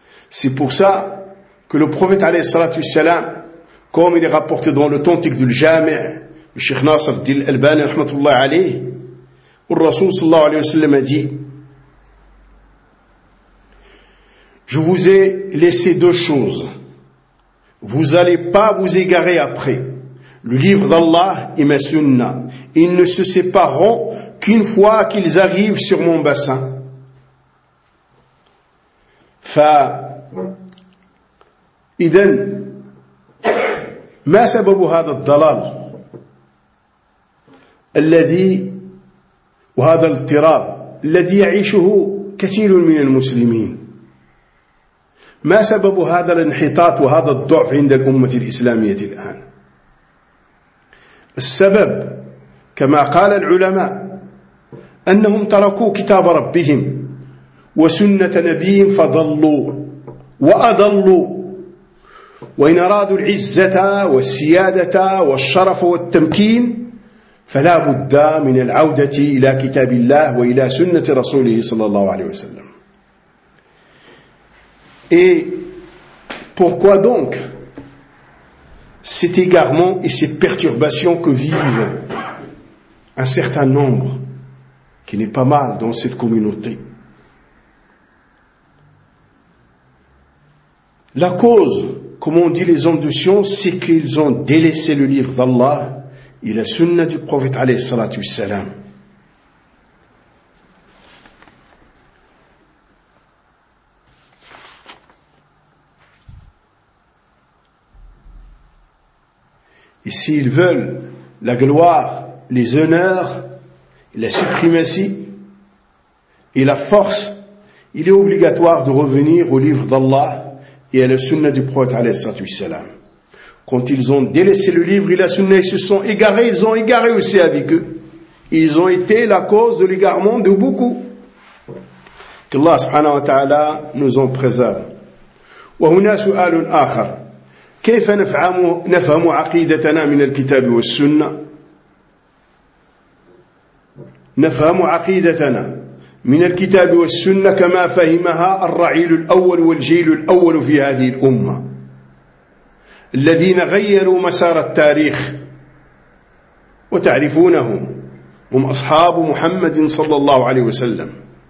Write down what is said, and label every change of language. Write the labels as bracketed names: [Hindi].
[French] C'est pour ça que le prophète alayhi salatu wassalam, comme il est rapporté dans l'authentique du Jami', le Cheikh Nasser Dil Albani rahmatullah alayh, le Rasoul sallallahu alayhi wa sallam a dit: je vous ai laissé deux choses. Vous n'allez pas vous égarer après. Le livre d'Allah et ma sunna. Ils ne se sépareront qu'une fois qu'ils arrivent sur mon bassin. [Arabic] إذن ما سبب هذا الضلال الذي وهذا الاضطراب الذي يعيشه كثير من المسلمين ما سبب هذا الانحطاط وهذا الضعف عند الأمة الإسلامية الآن السبب كما قال العلماء أنهم تركوا كتاب ربهم وسنة نبيهم فضلوا وأضلوا وإن أرادوا العزة والسيادة والشرف والتمكين فلا بد من العودة إلى كتاب الله وإلى سنة رسوله صلى الله عليه وسلم [French] Et pourquoi donc cet égarement et ces perturbations que vivent un certain nombre qui n'est pas mal dans cette communauté. La cause, comme on dit les hommes de Sion, c'est qu'ils ont délaissé le livre d'Allah et la sunna du prophète alayhi salatu wassalam. Et s'ils veulent la gloire, les honneurs, la suprématie et la force, il est obligatoire de revenir au livre d'Allah et à la sunna du prophète alayhi salatu wassalam. Quand ils ont délaissé le livre et la sunna, ils se sont égarés, ils ont égaré aussi avec eux. Ils ont été la cause de l'égarement de beaucoup. Qu'Allah subhanahu wa ta'ala nous en préserve. [Arabic] Wa huna su'alun akhar. كيف نفهم عقيدتنا من الكتاب والسنة؟ نفهم عقيدتنا من الكتاب والسنة كما فهمها الرعيل الأول والجيل الأول في هذه الأمة الذين غيروا مسار التاريخ، وتعرفونهم هم أصحاب محمد صلى الله عليه وسلم.